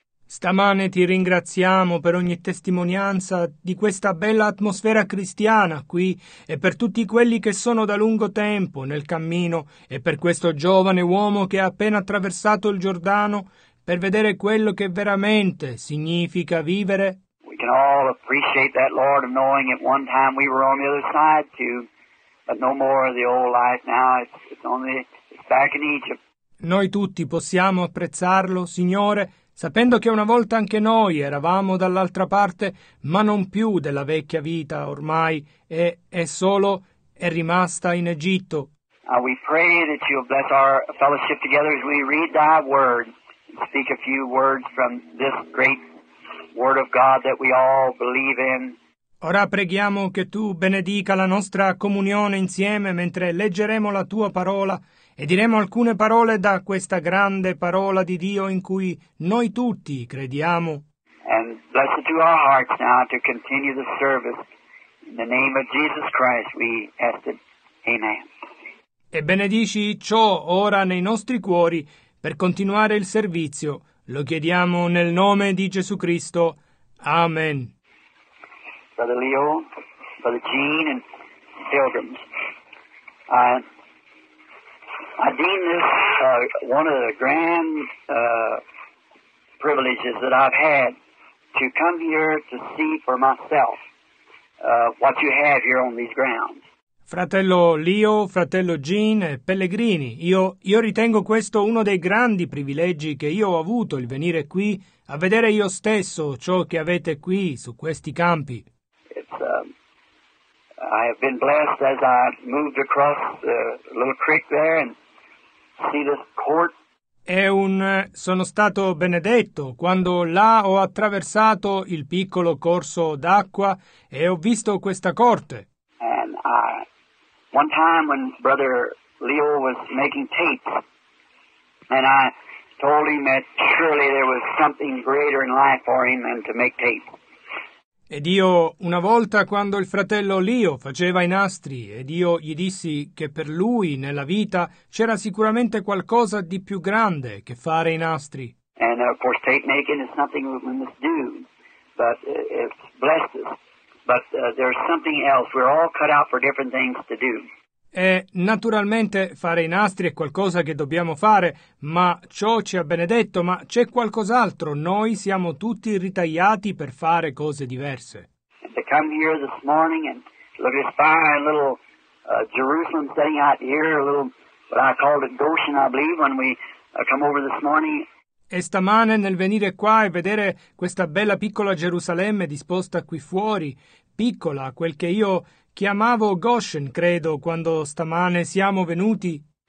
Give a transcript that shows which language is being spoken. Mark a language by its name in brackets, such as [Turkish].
[Italian] Stamane ti ringraziamo per ogni testimonianza di questa bella atmosfera cristiana qui e per tutti quelli che sono da lungo tempo nel cammino e per questo giovane uomo che ha appena attraversato il Giordano per vedere quello che veramente significa vivere. [English] We can all appreciate that, Lord, of knowing at one time we were on the other side too, but no more of the old life now, it's back in Egypt. [Italian] Noi tutti possiamo apprezzarlo, Signore, sapendo che una volta anche noi eravamo dall'altra parte, ma non più della vecchia vita ormai, e è rimasta in Egitto. [English] We pray that you'll bless our fellowship together as we read thy word and speak a few words from this great word of God that we all believe in. [Italian] Ora preghiamo che tu benedica la nostra comunione insieme mentre leggeremo la tua parola e diremo alcune parole da questa grande parola di Dio in cui noi tutti crediamo. [English] And blessed to our hearts now to continue the service in the name of Jesus Christ we ask it. Amen. [Italian] E benedici ciò ora nei nostri cuori per continuare il servizio. Lo chiediamo nel nome di Gesù Cristo. Amen. [English] Brother Leo, Brother Gene, and pilgrims. I deem this one of the grand privileges that I've had to come here to see for myself what you have here on these grounds. [Italian] Fratello Leo, fratello Gene, pellegrini, io ritengo questo uno dei grandi privilegi che io ho avuto il venire qui a vedere io stesso ciò che avete qui su questi campi. [English] I have been blessed as I moved across the little creek there and see this court. [Italian] Sono stato benedetto quando là ho attraversato il piccolo corso d'acqua e ho visto questa corte. [English] And I, one time when Brother Leo was making tapes, and I told him that surely there was something greater in life for him than to make tapes. [Italian] Ed io, una volta, quando il fratello Leo faceva i nastri, ed io gli dissi che per lui, nella vita, c'era sicuramente qualcosa di più grande che fare i nastri. [English] And of course tape making is nothing we must do, but it's blessed us. But there's something else, we're all cut out for different things to do. [Italian] E naturalmente fare i nastri è qualcosa che dobbiamo fare, ma ciò ci ha benedetto, ma c'è qualcos'altro, noi siamo tutti ritagliati per fare cose diverse. [English] to come here this morning and look at by a little Jerusalem sitting out here, a little what I called it Goshen, I believe, when we come over this morning. [Italian] E stamane nel venire qua e vedere questa bella piccola Gerusalemme disposta qui fuori, piccola, quel che io chiamavo Goshen, credo, quando stamane siamo venuti.